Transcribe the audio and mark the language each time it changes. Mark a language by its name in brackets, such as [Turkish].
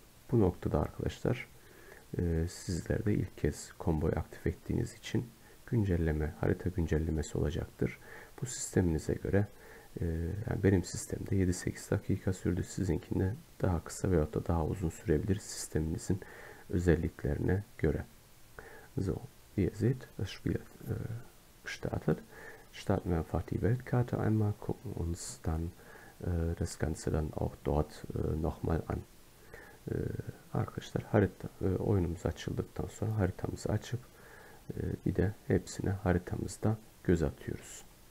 [Turkish] Bu noktada arkadaşlar, sizler de ilk kez konvoy aktif ettiğiniz için güncelleme, harita güncellemesi olacaktır. Bu sisteminize göre, yani benim sistemde 7-8 dakika sürdü. Sizinkinde daha kısa veyahut da daha uzun sürebilir sisteminizin özelliklerine göre. [German] So, ihr seht, das Spiel startet. Starten wir einfach die Weltkarte einmal, gucken uns dann das Ganze dann auch dort nochmal an. [Turkish] Arkadaşlar oyunumuz açıldıktan sonra haritamızı açıp bir de hepsine haritamızda göz atıyoruz.